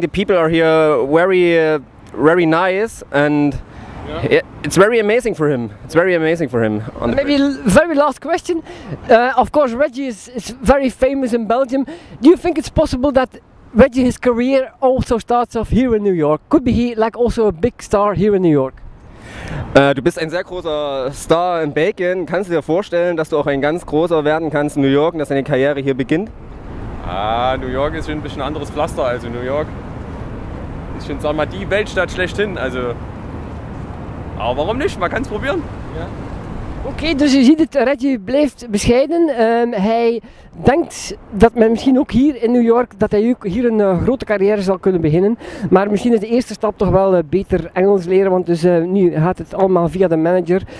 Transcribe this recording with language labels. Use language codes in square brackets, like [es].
[en] The people are here very, very nice and yeah. It's very amazing for him. It's very amazing for him. Maybe very last question. Of course, Reggie is very famous in Belgium. Do you think it's possible that Reggie, his career also starts off here in New York? Could be he like also a big star here in New York? [de] Du bist ein sehr großer Star in Belgien. Kannst du dir vorstellen, dass du auch ein ganz großer werden kannst in New York und dass deine Karriere hier beginnt? Ah, New York ist schon ein bisschen anderes Pflaster. Also New York ist schon, sag mal, die Weltstadt schlechthin. Also, aber warum nicht? Man kann es probieren. Ja. [nl] Okay, dus je ziet het, Reggie blijft bescheiden. Hij denkt dat men misschien ook hier in New York, dat hij ook hier een grote carrière zal kunnen beginnen. Maar misschien is de eerste stap toch wel beter Engels leren, want dus, nu gaat het allemaal via de manager.